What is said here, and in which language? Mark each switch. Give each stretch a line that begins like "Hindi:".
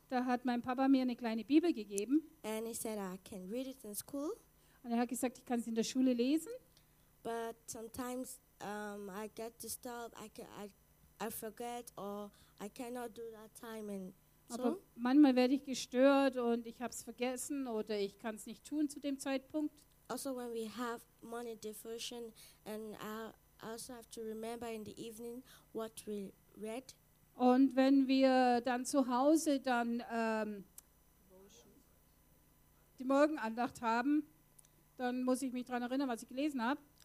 German: Da hat mein Papa mir eine kleine Bibel gegeben.
English: And he said I can read it in school.
German: Und er hat gesagt, ich kann es in der Schule lesen.
English: But sometimes I get disturbed. I forget or I cannot do that time in school.
German: Aber manchmal werde ich gestört und ich habe es vergessen oder ich kann es nicht tun zu dem Zeitpunkt.
English: Also when we have morning devotion and I also have to remember in the evening what we read.
German: Und wenn wir dann zu Hause dann die Morgenandacht haben, dann muss ich mich daran erinnern, was ich gelesen habe.